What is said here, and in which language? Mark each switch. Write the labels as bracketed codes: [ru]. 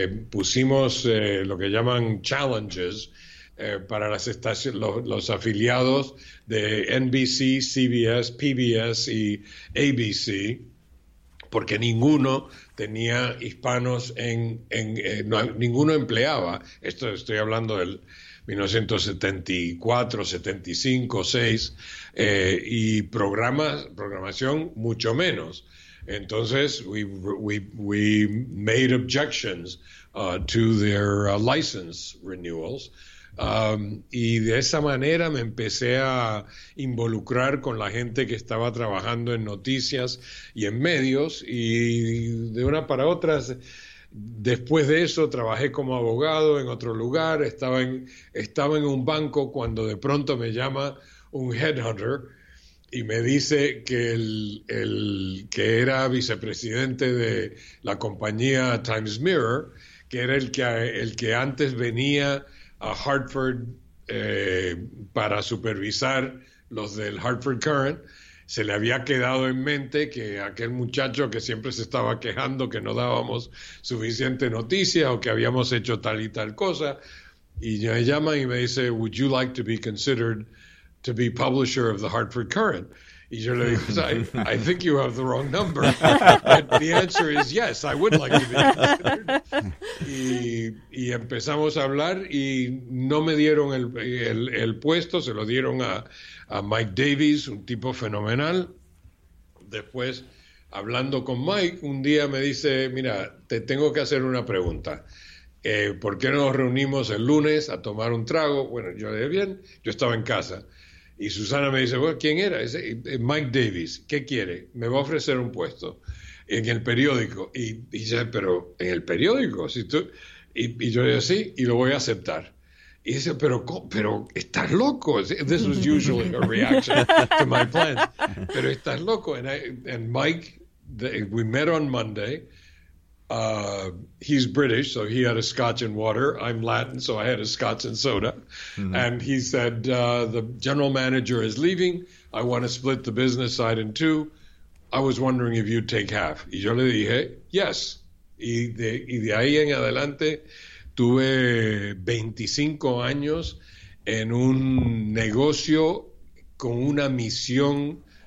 [es] Pusimos lo que llaman challenges para las los afiliados de NBC, CBS, PBS y ABC, porque ninguno tenía hispanos ninguno empleaba. Esto estoy hablando del 1974, 75, 6, y programación mucho menos. Entonces, [en] we made objections to their license renewals. [es] Y de esa manera me empecé a involucrar con la gente que estaba trabajando en noticias y en medios, y de una para otra. Después de eso trabajé como abogado en otro lugar, estaba en un banco cuando de pronto me llama un headhunter y me dice que el que era vicepresidente de la compañía Times Mirror, que era el que antes venía a Hartford para supervisar los del Hartford Current, se le había quedado en mente que aquel muchacho que siempre se estaba quejando que no dábamos suficiente noticia o que habíamos hecho tal y tal cosa, y me llama y me dice, [en] "Would you like to be considered to be publisher of the Hartford Current?" [es] Y yo le digo, [en] I think you have the wrong number. But the answer is yes, I would like to be considered. [es] Y empezamos a hablar y no me dieron el puesto, se lo dieron a Mike Davies, un tipo fenomenal. Después, hablando con Mike, un día me dice, mira, te tengo que hacer una pregunta. ¿Por qué no nos reunimos el lunes a tomar un trago? Bueno, yo le dije, bien, yo estaba en casa. Y Susana me dice, bueno, ¿quién era? Dice, Mike Davies, ¿qué quiere? Me va a ofrecer un puesto en el periódico. Y dice, pero ¿en el periódico? Si tú... Y yo le digo, sí, y lo voy a aceptar. Y dice, pero ¿estás loco? [en] This was usually a reaction to my plan. [es] Pero ¿estás loco? [en] And Mike, we met on Monday. He's British, so he had a scotch and water. I'm Latin, so I had a scotch and soda. Mm-hmm. And he said, the general manager is leaving. I want to split the business side in two. I was wondering if you'd take half. [es] Y yo le dije, yes. Y de ahí en adelante tuve 25 años en un negocio con una misión